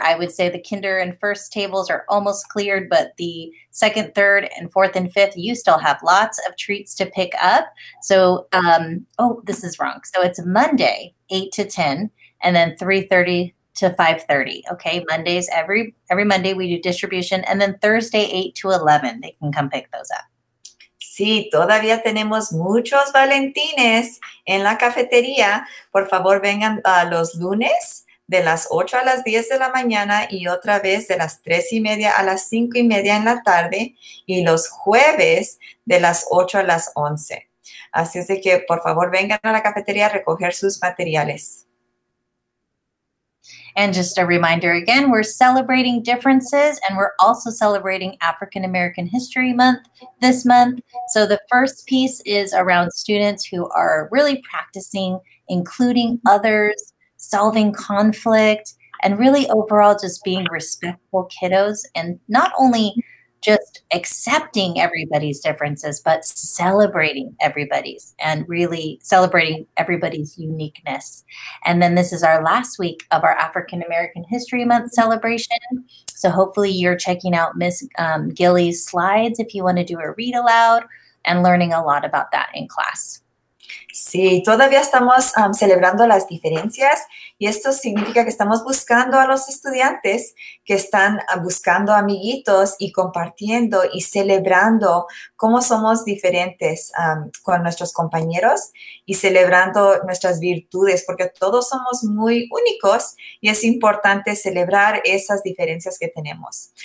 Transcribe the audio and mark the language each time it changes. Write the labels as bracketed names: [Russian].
[English] I would say the kinder and first tables are almost cleared, but the second, third, and fourth, and fifth, you still have lots of treats to pick up. So, this is wrong. So it's Monday, 8 to 10, and then 3:30 to 5:30. Okay. Mondays, every Monday we do distribution, and then Thursday 8 to 11, they can come pick those up. [Spanish] Sí, todavía tenemos muchos Valentines en la cafetería. Por favor, vengan los lunes de las 8 a las 10 de la mañana y otra vez de las 3 y media a las 5 y media en la tarde y los jueves de las 8 a las 11. Así es de que, por favor, vengan a la cafetería a recoger sus materiales. [English] And just a reminder again, we're celebrating differences and we're also celebrating African American History Month this month. So the first piece is around students who are really practicing including others, solving conflict, and really overall just being respectful kiddos and not only just accepting everybody's differences, but celebrating everybody's and really celebrating everybody's uniqueness. And then this is our last week of our African American History Month celebration. So hopefully you're checking out Miss Gilly's slides if you want to do a read aloud and learning a lot about that in class. [Spanish] Sí, todavía estamos celebrando las diferencias y esto significa que estamos buscando a los estudiantes que están buscando amiguitos y compartiendo y celebrando cómo somos diferentes con nuestros compañeros y celebrando nuestras virtudes porque todos somos muy únicos y es importante celebrar esas diferencias que tenemos.